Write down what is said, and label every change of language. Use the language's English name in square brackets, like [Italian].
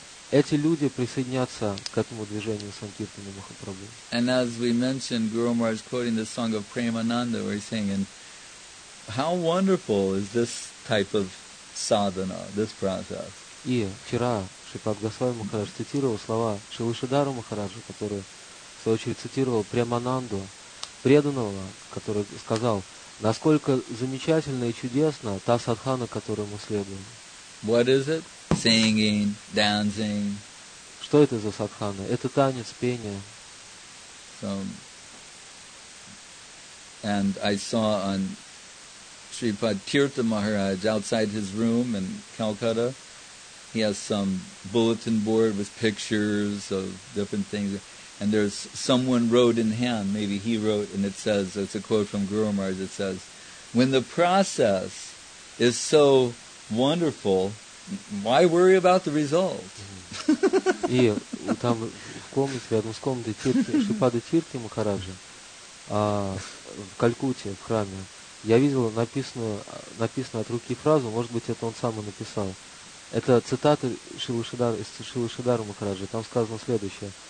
[Russian] эти люди присоединятся к этому движению Санкиртаны Махапрабху. [English] And as we mentioned, Guru Maharaj quoting the song of Premananda, where he's saying, and how wonderful is this type of sadhana, this process. [Russian] И вчера Шипад Госвами Махарадж цитировал слова Шилышидару Махараджа, который в свою очередь цитировал Премананду, преданного, который сказал, насколько замечательно и чудесно та садхана, которую мы следуем. [English] What is it? Singing, dancing. [Russian] Что это за садхана? Это танец, пение. [English] So, and I saw on Shripad Tirtha Maharaj outside his room in Calcutta, he has some bulletin board with pictures of different things. And there's someone wrote in hand, maybe he wrote, and it says, it's a quote from Guru Maharaj, it says, when the process is so wonderful, why worry about the result? [Russian] И там в комнате, рядом с комнатой Шипады Тирти Махараджа, в Калькутте, в храме, я видел написанную от руки фразу, может быть, это он сам и написал. Это цитата из Шилышидара Махараджа, там сказано следующее.